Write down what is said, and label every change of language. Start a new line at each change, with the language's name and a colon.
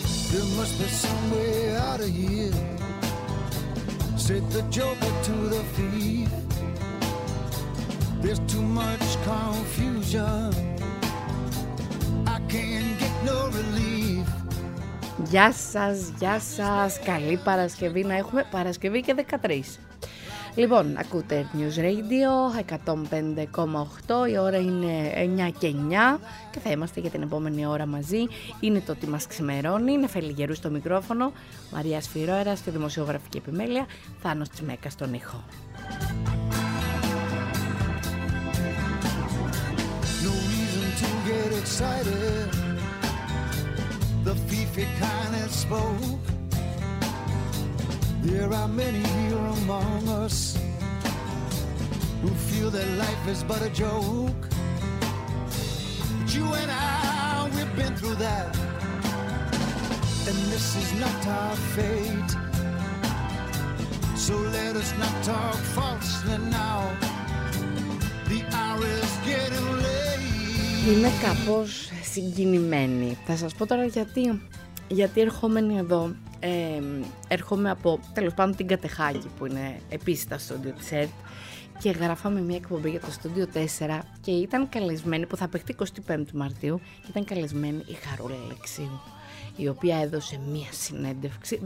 English: There must be some way out of here, said the Joker to the thief. There's too much confusion, I can't get no relief.
Greek: Γεια σας, γεια σας, καλή Παρασκευή να έχουμε, Παρασκευή και 13. Λοιπόν, ακούτε News Radio 105,8, η ώρα είναι 9 και 9 και θα είμαστε για την επόμενη ώρα μαζί. Είναι το τι μας ξημερώνει, είναι Φελιγερού στο μικρόφωνο, Μαρία Σφυρόερα στη δημοσιογραφική επιμέλεια, Θάνος Τσιμέκα στον ήχο.
English: No reason to get excited. the Fifi kind that spoke. There are many here among us who feel that life is but a joke. But you and I, we've been through that, and this is not our fate. So let us not talk falsely now. The hour is getting late.
Greek: Είμαι κάπως συγκινημένη. Θα σας πω τώρα γιατί. Γιατί ερχόμενοι εδώ, έρχομαι από, τέλος πάντων, την Κατεχάκη, που είναι επίσης τα στούντιο της ΕΡΤ, και γράφαμε μια εκπομπή για το στούντιο 4 και ήταν καλεσμένη, που θα παιχτεί 25 Μαρτίου, ήταν καλεσμένη η Χαρούλα Αλεξίου, η οποία έδωσε μια συνέντευξη.